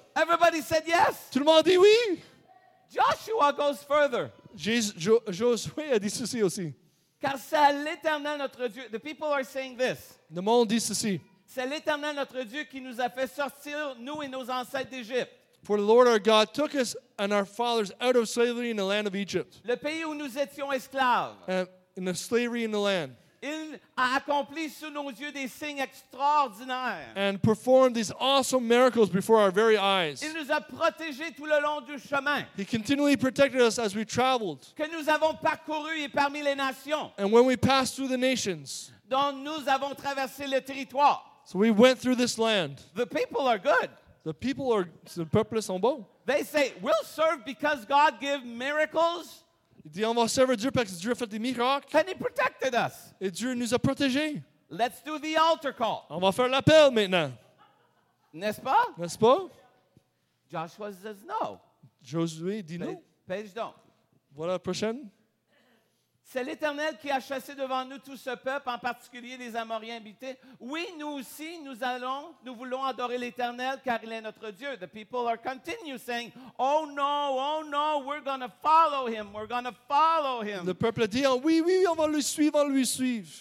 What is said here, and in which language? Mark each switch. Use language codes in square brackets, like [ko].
[en] Everybody said yes. [fr] Tout le monde dit oui. [en] Joshua goes further. [fr] Josué a dit ceci aussi. Car c'est l'Éternel notre Dieu. [en] The people are saying this. [fr] Le monde dit ceci. C'est l'Éternel notre Dieu qui nous a fait sortir, nous et nos ancêtres d'Égypte. [en] For the Lord our God took us and our fathers out of slavery in the land of Egypt. [fr] Le pays où nous étions esclaves. [en] In the slavery in the land. [fr] Il a accompli sous nos yeux des signes extraordinaires. [en] And performed these awesome miracles before our very eyes. [fr] Il nous a protégés tout le long du chemin. [en] He continually protected us as we traveled. [fr] Que nous avons parcouru et parmi les nations. [en] And when we passed through the nations. [fr] Dont nous avons traversé le territoire. [en] So we went through this land. The people are good. The people are the [fr] peuple sont bons. [en] They say we'll serve because God gave miracles. [fr] On va servir Dieu parce que Dieu a fait des miracles. [en] And he protected us. [fr] Et Dieu nous a protégés. [en] Let's do the altar call. [fr] On va faire l'appel maintenant. N'est-ce pas? [en] Joshua says no. [fr] Josué dit non. [en] Page down. [fr] Voilà la prochaine. C'est l'Éternel qui a chassé devant nous tout ce peuple, en particulier les Amoriens habités. Oui, nous aussi, nous voulons adorer l'Éternel, car il est notre Dieu. [en] The people are continue saying, oh no, we're going to follow him, we're going to follow him. [fr] Le peuple dit, oh, oui, oui, on va le suivre, on va le suivre.